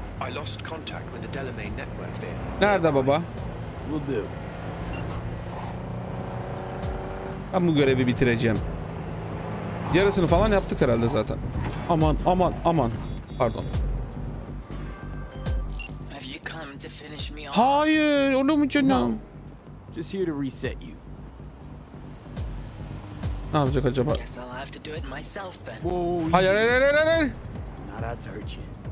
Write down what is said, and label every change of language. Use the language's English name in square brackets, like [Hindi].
[English] I lost contact with the Delamain network there. [Turkish] Nerede baba? [English] Will do. [Turkish] Ben bu görevi bitireceğim. Yarısını falan yaptık herhalde zaten. Aman. Pardon. [English] Have you come to finish me off? [Turkish] Hayır, onu mu canım? [English] No. Just here to reset you. [Turkish] Ne yapacak acaba? [English] Guess I'll have to do it myself then. Whoa, [Turkish] hayır. [English] Not out to hurt you.